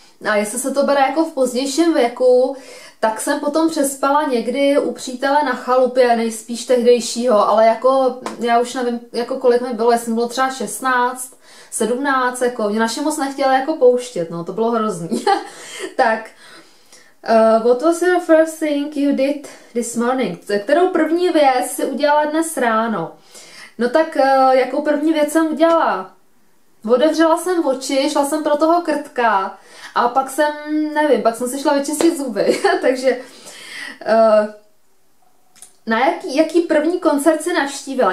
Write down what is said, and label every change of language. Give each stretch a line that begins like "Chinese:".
Czech: A jestli se to bere jako v pozdějším věku, tak jsem potom přespala někdy u přítele na chalupě, nejspíš tehdejšího, ale jako já už nevím, jako kolik mi bylo, jestli mi bylo třeba 16, 17, jako mě naše moc nechtěla jako pouštět, no to bylo hrozný. Tak.
English: What was the first thing you did this morning?
Czech: Kterou první věc si udělala dnes ráno? No tak, jakou první věc jsem udělala? Otevřela jsem oči, šla jsem pro toho krtka a pak jsem, nevím, pak jsem si šla vyčistit zuby. Takže, na jaký první koncert si navštívila?